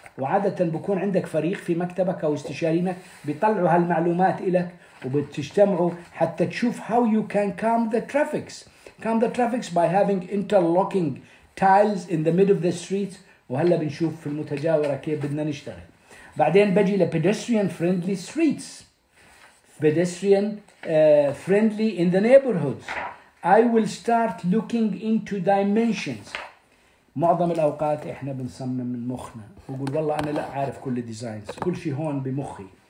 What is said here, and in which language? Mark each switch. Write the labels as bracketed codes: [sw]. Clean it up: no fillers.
[ar] وعاده بكون عندك فريق في مكتبك او استشاريينك بيطلعوا هالمعلومات لك وبتجتمعوا حتى تشوف [en] هاو يو كان كام ذا ترافيكس. كام ذا ترافيكس باي هافينج انترلوكينج tiles in the middle of the streets. [ar] وهلا بنشوف في المتجاورة كيف بدنا نشتغل. بعدين بجي ل [en] pedestrian friendly streets، pedestrian friendly in the neighborhoods. I will start looking into dimensions. [ar] معظم الأوقات إحنا بنصمم من مخنا وقول والله أنا لا عارف كل designs، كل شيء هون بمخي.